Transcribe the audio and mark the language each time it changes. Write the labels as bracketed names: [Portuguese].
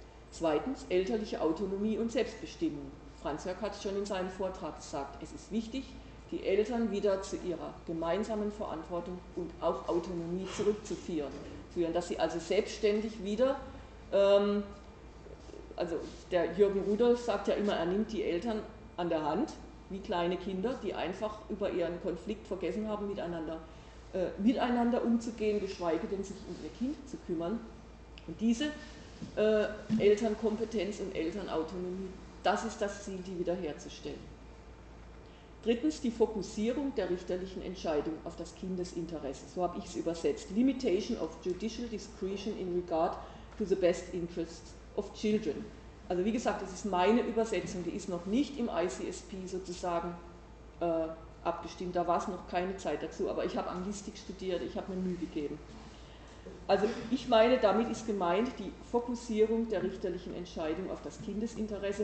[German] Zweitens, elterliche Autonomie und Selbstbestimmung. Franz Hörk hat es schon in seinem Vortrag gesagt, es ist wichtig, die Eltern wieder zu ihrer gemeinsamen Verantwortung und auch Autonomie zurückzuführen, dass sie also selbstständig wieder, also der Jürgen Rudolf sagt ja immer, er nimmt die Eltern an der Hand, wie kleine Kinder, die einfach über ihren Konflikt vergessen haben, miteinander umzugehen, geschweige denn sich um ihr Kind zu kümmern. Und diese Elternkompetenz und Elternautonomie, das ist das Ziel, die wiederherzustellen. Drittens, die Fokussierung der richterlichen Entscheidung auf das Kindesinteresse. So habe ich es übersetzt. [English] Limitation of judicial discretion in regard to the best interests of children. [German] Also wie gesagt, das ist meine Übersetzung, die ist noch nicht im ICSP sozusagen abgestimmt. Da war es noch keine Zeit dazu, aber ich habe Anglistik studiert, ich habe mir Mühe gegeben. Also ich meine, damit ist gemeint die Fokussierung der richterlichen Entscheidung auf das Kindesinteresse.